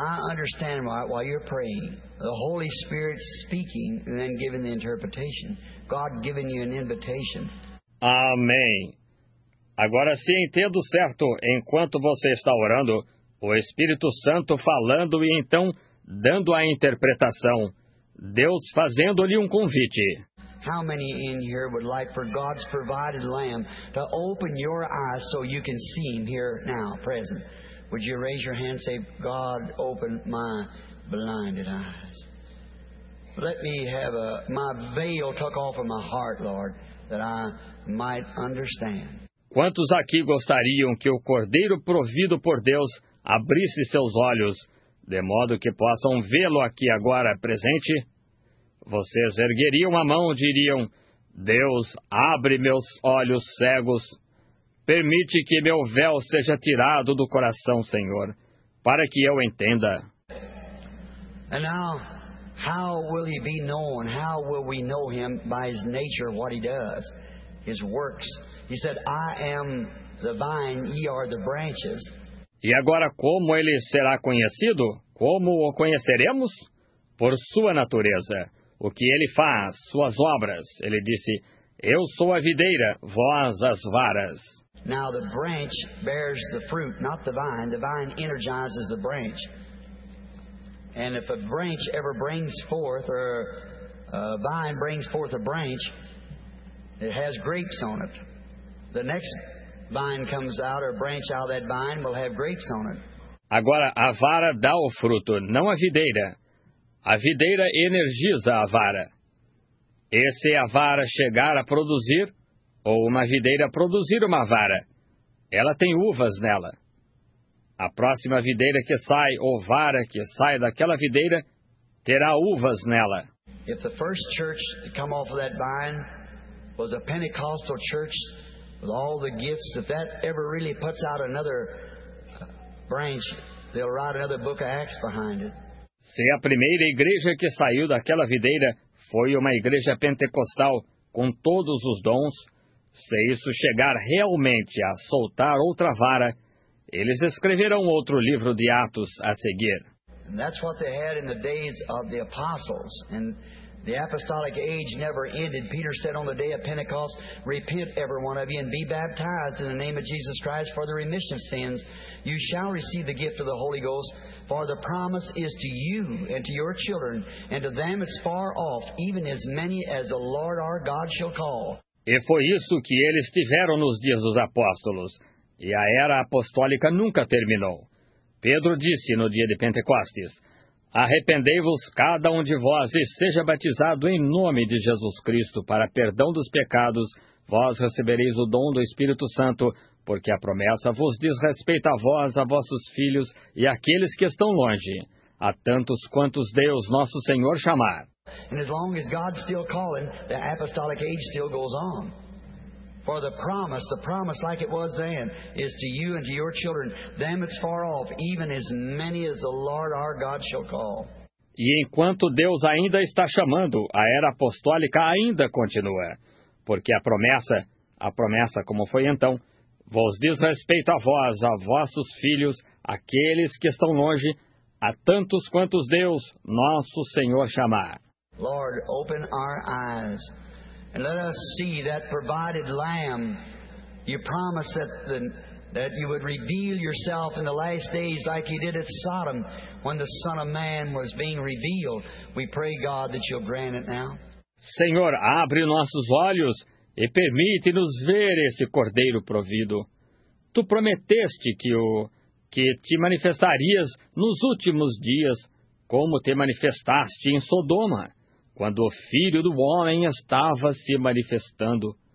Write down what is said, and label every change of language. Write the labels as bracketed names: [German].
[English] Understand while you're praying, the Holy Spirit speaking and then giving the interpretation. God giving you an invitation. [Portuguese] Amém. Agora se entendo certo, enquanto você está orando, o Espírito Santo falando e então dando a interpretação, Deus fazendo-lhe um convite. [English] How many in here would like for God's provided Lamb to open your eyes so you can see him here now, present? Would you raise your hand and say, God, open my blinded eyes. Let me have my veil took off of my heart, Lord, that I might understand. [Portuguese] Quantos aqui gostariam que o Cordeiro provido por Deus abrisse seus olhos, de modo que possam vê-lo aqui agora presente? Vocês ergueriam a mão e diriam, Deus, abre meus olhos cegos. Permite que meu véu seja tirado do coração, Senhor, para que eu entenda. [English] And now, how will he be known? How will we know him by his nature, what he does, his works? He said, I am the vine, ye are the branches. [Portuguese] E agora, como ele será conhecido? Como o conheceremos? Por sua natureza, o que ele faz, suas obras. Ele disse: Eu sou a videira, vós as varas. [English] Now the branch bears the fruit, not the vine. The vine energizes the branch. And if a branch ever brings forth, or a vine brings forth a branch, it has grapes on it. The next vine comes out, or branch out of that vine, will have grapes on it. [Portuguese] Agora, a vara dá o fruto, não a videira. A videira energiza a vara. E se a vara chegar a produzir, ou uma videira produzir uma vara, ela tem uvas nela. A próxima videira que sai, ou vara que sai daquela videira, terá uvas nela. [English] If the first church to come off of that vine was a Pentecostal church with all the gifts, if that ever really puts out another branch, they'll write another book of Acts behind it. [Portuguese] Se a primeira igreja que saiu daquela videira foi uma igreja pentecostal com todos os dons, se isso chegar realmente a soltar outra vara, eles escreverão outro livro de Atos a seguir. [English] And that's what they had in the days of the apostles. And the apostolic age never ended. Peter said on the day of Pentecost, repent every one of you and be baptized in the name of Jesus Christ for the remission of sins. You shall receive the gift of the Holy Ghost, for the promise is to you and to your children, and to them as far off, even as many as the Lord our God shall call. [Portuguese] E foi isso que eles tiveram nos dias dos apóstolos, e a era apostólica nunca terminou. Pedro disse no dia de Pentecostes: Arrependei-vos cada um de vós e seja batizado em nome de Jesus Cristo para perdão dos pecados, vós recebereis o dom do Espírito Santo, porque a promessa vos diz respeito a vós, a vossos filhos e àqueles que estão longe, a tantos quantos Deus nosso Senhor chamar. [English] And as long as God's still calling, the apostolic age still goes on. For the promise like it was then, is to you and to your children, them that's far off, even as many as the Lord our God shall call. [Portuguese] E enquanto Deus ainda está chamando, a era apostólica ainda continua. Porque a promessa como foi então, vos diz respeito a vós, a vossos filhos, aqueles que estão longe, a tantos quantos Deus, nosso Senhor, chamar. [English] Lord, open our eyes and let us see that provided lamb. You promised that you would reveal yourself in the last days like you did at Sodom when the Son of Man was being revealed. We pray, God, that you'll grant it now. [Portuguese] Senhor, abre nossos olhos e permite-nos ver esse cordeiro provido. Tu prometeste que te manifestarias nos últimos dias como te manifestaste em Sodoma, quando o Filho do Homem estava se manifestando.